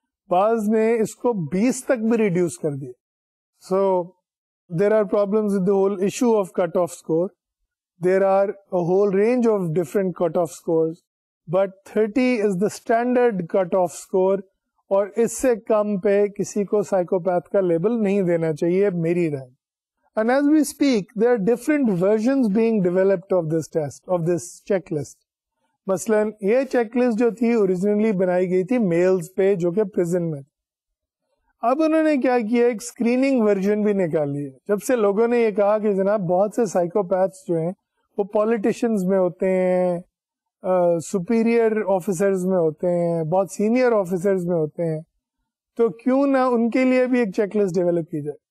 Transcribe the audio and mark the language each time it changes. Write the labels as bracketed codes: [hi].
[ur] بعض نے اس کو 20 تک بھی ریڈیوس کر دیا. [en] So there are problems with the whole issue of cut off score. There are a whole range of different cut off scores but 30 is the standard cut off score [ur] اور اس سے کم پہ کسی کو سائیکوپیتھ کا لیبل نہیں دینا چاہیے میری رائے. [en] And as we speak, there are different versions being developed of this test, of this checklist. [ur] مثلاً یہ چیک لسٹ جو تھی اوریجنلی بنائی گئی تھی میلز پہ جو کہ پرزن میں. اب انہوں نے کیا کیا ایک اسکریننگ ورژن بھی نکال لیا. جب سے لوگوں نے یہ کہا کہ جناب بہت سے سائیکوپیتھس جو ہیں وہ پالیٹیشنز میں ہوتے ہیں, سپیریئر آفیسرز میں ہوتے ہیں, بہت سینئر آفیسرز میں ہوتے ہیں, تو کیوں نہ ان کے لیے بھی ایک چیک لسٹ ڈیولپ کی جائے.